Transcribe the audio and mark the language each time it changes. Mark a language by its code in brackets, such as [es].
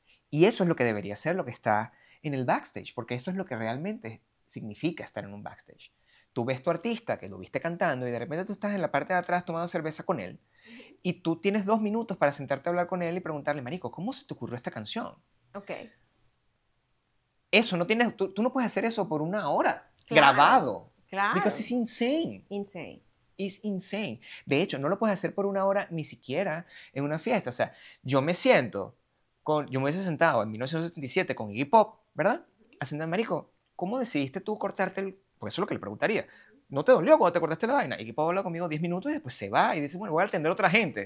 [es] Y eso es lo que debería ser lo que está en el backstage, porque eso es lo que realmente significa estar en un backstage. Tú ves tu artista que lo viste cantando y de repente tú estás en la parte de atrás tomando cerveza con él y tú tienes 2 minutos para sentarte a hablar con él y preguntarle, marico, ¿cómo se te ocurrió esta canción? Eso no tienes, tú no puedes hacer eso por una hora Claro, [en] grabado, because it's insane. insane. [es] Es insane. De hecho, no lo puedes hacer por una hora ni siquiera en una fiesta. O sea, yo me siento con. Yo me hubiese sentado en 1977 con Iggy Pop, ¿verdad? Haciendo, marico, ¿cómo decidiste tú cortarte el? Porque eso es lo que le preguntaría. ¿No te dolió cuando te cortaste la vaina? Iggy Pop habla conmigo 10 minutos y después se va y dice, bueno, voy a atender a otra gente.